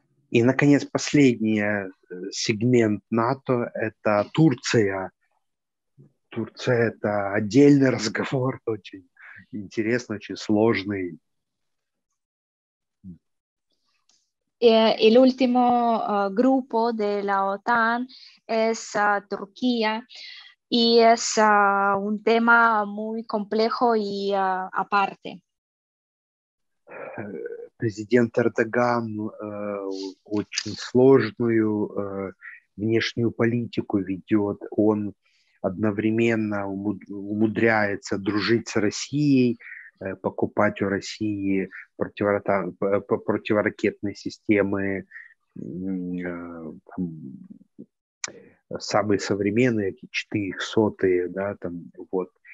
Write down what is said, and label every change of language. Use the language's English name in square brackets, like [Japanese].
[Russian] И, наконец, последний сегмент НАТО – это Турция. Турция – это отдельный разговор, очень интересный, очень сложный. [Spanish] El último grupo de la OTAN es Turquía y es un tema muy complejo y aparte. [Russian] Президент Эрдоган очень сложную внешнюю политику ведет. Он одновременно умудряется дружить с Россией, покупать у России противоракетные системы, самые современные, эти 400-е, да, там, вот.